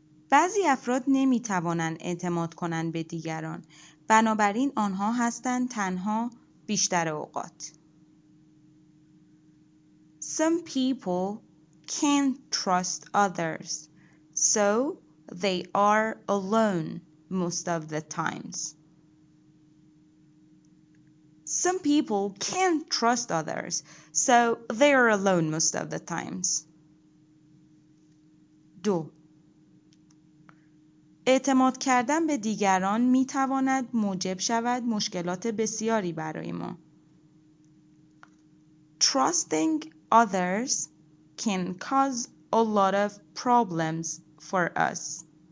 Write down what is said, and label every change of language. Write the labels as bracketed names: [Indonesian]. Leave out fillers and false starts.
[Persian] بعضی افراد نمی توانند اعتماد کنند به دیگران، بنابراین آنها هستند تنها بیشتر اوقات. [English] Some people can't trust others, so they are alone most of the times. Some people can't trust others, so they are alone most of the times. 2. [Persian] اعتماد کردن به دیگران می تواند موجب شود مشکلات بسیاری برای ما. [English] Trusting others can cause a lot of problems for us.